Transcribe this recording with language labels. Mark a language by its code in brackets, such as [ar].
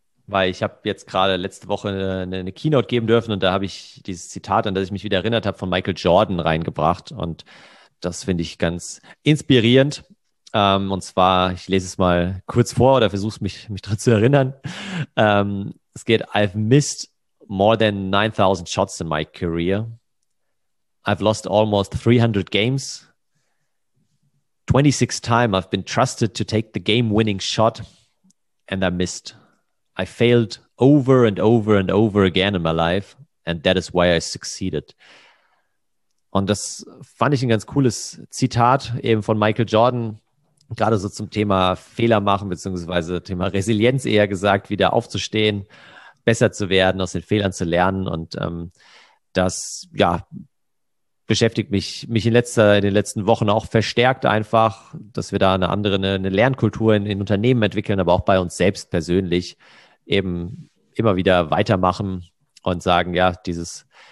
[de] Weil ich habe jetzt gerade letzte Woche eine Keynote geben dürfen und da habe ich dieses Zitat, an das ich mich wieder erinnert habe, von Michael Jordan reingebracht. Und das finde ich ganz inspirierend. Und zwar, ich lese es mal kurz vor oder versuche mich daran zu erinnern. Es geht, [en] I've missed more than 9000 shots in my career. I've lost almost 300 games. 26 times I've been trusted to take the game-winning shot, and I missed. I failed over and over and over again in my life, and that is why I succeeded. [de] Und das fand ich ein ganz cooles Zitat eben von Michael Jordan, gerade so zum Thema Fehler machen, beziehungsweise Thema Resilienz eher gesagt, wieder aufzustehen, besser zu werden, aus den Fehlern zu lernen. Und das, ja, beschäftigt mich in den letzten Wochen auch verstärkt einfach, dass wir da eine andere Lernkultur in Unternehmen entwickeln, aber auch bei uns selbst persönlich eben immer wieder weitermachen und sagen, ja, dieses